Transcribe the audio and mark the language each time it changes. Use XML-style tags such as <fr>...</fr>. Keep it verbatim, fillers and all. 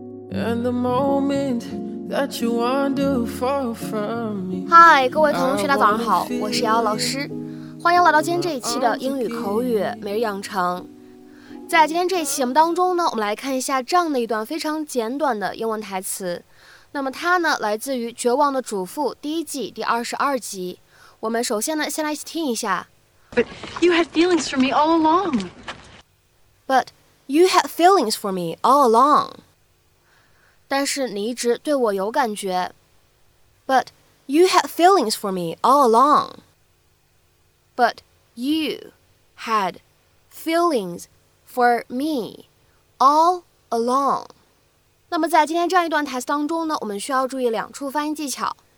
<en>And the moment that you wander far from me.</en> <zh>嗨，各位同学，大早上好，我是瑶瑶老师，欢迎来到今天这一期的英语口语每日养成。在今天这一期节目当中呢，我们来看一下这样的一段非常简短的英文台词。那么它呢来自于《绝望的主妇》第一季第二十二集。我们首先呢先来一起听一下。</zh> <en>But you had feelings for me all along. But you had feelings for me all along.</en> <zh>但是你一直对我有感觉。</zh> <en>But you had feelings for me all along. But you had feelings for me all along.</en> <zh>那么在今天这样一段台词当中呢，我们需要注意两处发音技巧。</zh>